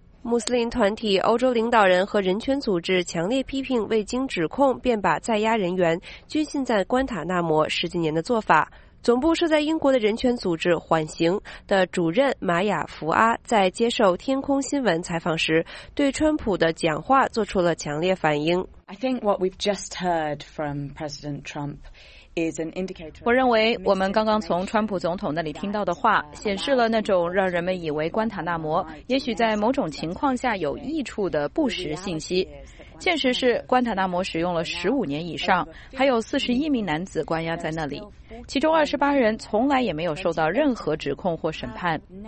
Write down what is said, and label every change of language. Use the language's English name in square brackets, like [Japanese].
[Chinese] 穆斯林团体、欧洲领导人和人权组织强烈批评未经指控便把在押人员拘禁在关塔纳摩十几年的做法。总部设在英国的人权组织缓刑的主任玛雅·福阿在接受天空新闻采访时，对川普的讲话做出了强烈反应。 [English] I think what we've just heard from President Trump is an indicator. [Chinese] 我认为我们刚刚从川普总统那里听到的话，显示了那种让人们以为关塔纳摩也许在某种情况下有益处的不实信息。现实是，关塔纳摩使用了15年以上，还有41名男子关押在那里，其中28人从来也没有受到任何指控或审判。